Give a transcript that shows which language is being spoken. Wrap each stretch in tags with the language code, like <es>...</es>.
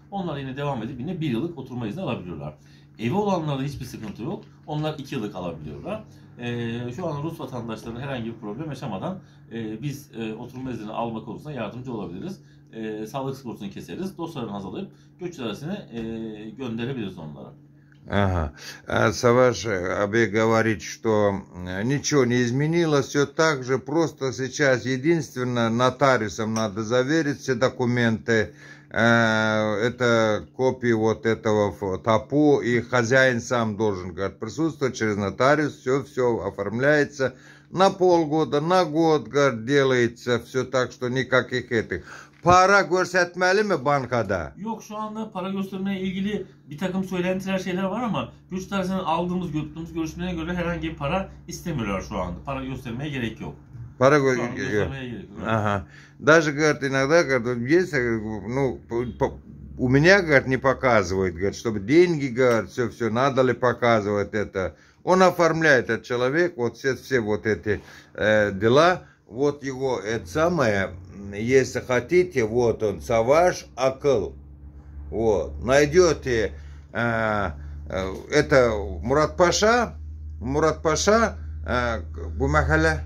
<tr>Onlar yine devam edip yine bir yıllık oturma izni alabiliyorlar. Evi olanlarda hiçbir sıkıntı yok. Onlar 2 yıllık alabiliyorlar. Şu an Rus vatandaşlarının herhangi bir problem yaşamadan biz oturma izni alma konusunda yardımcı olabiliriz. Sağlık sigortasını keseriz. Dosyalarını hazırlayıp göç dairesine gönderebiliriz onlara.</tr> <ru>Ага. Саваш абе говорит, что ничего не изменилось, все так же, просто сейчас единственное, нотариусом надо заверить все документы, это копии вот этого ТАПУ, и хозяин сам должен, говорит, присутствовать через нотариус, все оформляется на полгода, на год, говорит, делается, все так, что никаких этих...</ru> <tr>Para göstermeli mi bankada? Yok, şu anda para göstermeye ilgili bir takım söylentiler şeyler var ama güç tarzından aldığımız görüşmelerine göre herhangi bir para istemiyorlar şu anda. Para göstermeye gerek yok. Para göstermeye gerek yok. Aha.</tr> <ru>Даже говорит иногда, говорит, если, ну, у меня, говорит, не показывает, говорит, чтобы деньги, говорит, все, надо ли показывать это. Он оформляет этот человек, вот все вот эти дела. Вот его, это самое, если хотите, вот он, Саваш Акыл, вот, найдете, это Мурат Паша,</ru> <tr>бу махалле?</tr>